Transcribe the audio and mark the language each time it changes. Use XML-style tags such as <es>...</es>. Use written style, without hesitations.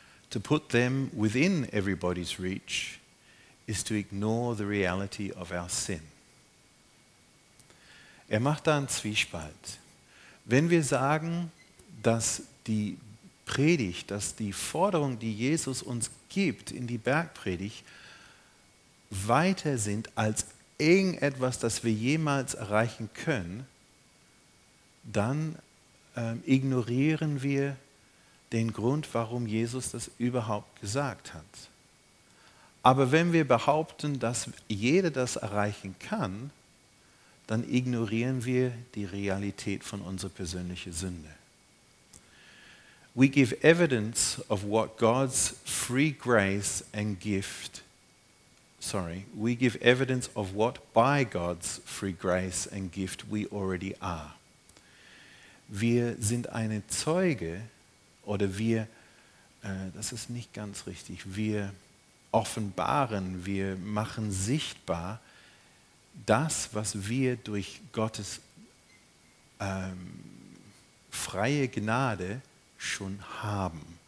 <en>To put them within everybody's reach is to ignore the reality of our sin.</en> <de>Er macht da einen Zwiespalt. Wenn wir sagen, dass die Predigt, dass die Forderung, die Jesus uns gibt in die Bergpredigt, weiter sind als irgendetwas, das wir jemals erreichen können, dann ignorieren wir den Grund, warum Jesus das überhaupt gesagt hat. Aber wenn wir behaupten, dass jeder das erreichen kann, dann ignorieren wir die Realität von unserer persönlichen Sünde.</de> <en>We give evidence of what God's free grace and gift, sorry, we give evidence of what by God's free grace and gift we already are.</en> <de>Wir sind eine Zeuge, oder wir, das ist nicht ganz richtig, wir offenbaren, wir machen sichtbar das, was wir durch Gottes freie Gnade schon haben.</de>